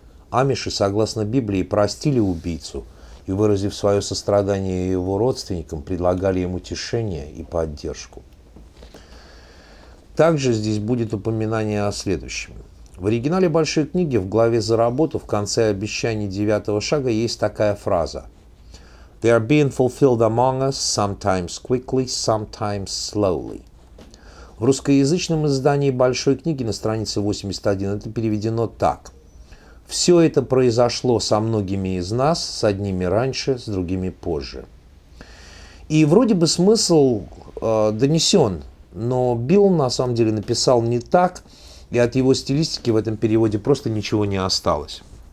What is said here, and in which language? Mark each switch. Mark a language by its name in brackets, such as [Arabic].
[Russian] Амиши, согласно Библии, простили убийцу и, выразив свое сострадание его родственникам, предлагали ему утешение и поддержку. Также здесь будет упоминание о следующем. В оригинале «Большой книги» в главе «За работу» в конце обещаний 9-го шага есть такая фраза. [English] «They are being fulfilled among us, sometimes quickly, sometimes slowly». [Russian] В русскоязычном издании «Большой книги» на странице 81 это переведено так. «Все это произошло со многими из нас, с одними раньше, с другими позже». И вроде бы смысл донесен, но Билл на самом деле написал не так, и от его стилистики в этом переводе просто ничего не осталось.